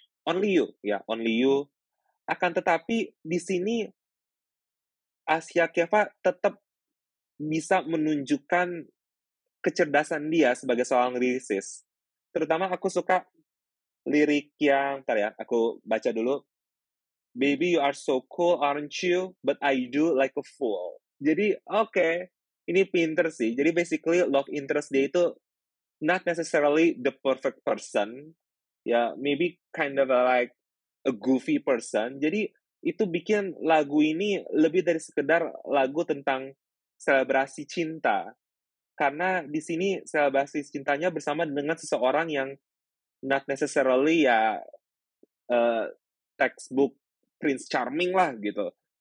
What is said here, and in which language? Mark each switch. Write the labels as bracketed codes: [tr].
[en] Only You, ya, Only You. [id] Akan tetapi di sini Asia Keva tetap bisa menunjukkan kecerdasan dia sebagai seorang lyricist. Terutama aku suka lirik yang, ntar ya, aku baca dulu. [en] Baby, you are so cool, aren't you? But I do like a fool. [id] Jadi, okay. Ini pinter sih. Jadi, basically, love interest dia itu [en] not necessarily the perfect person. [id] Ya, [en] maybe kind of like a goofy person. [id] Jadi, itu bikin lagu ini lebih dari sekedar lagu tentang selebrasi cinta. Karena di sini selebrasi cintanya bersama dengan seseorang yang [en] not necessarily ya textbook Prince Charming [id] lah gitu.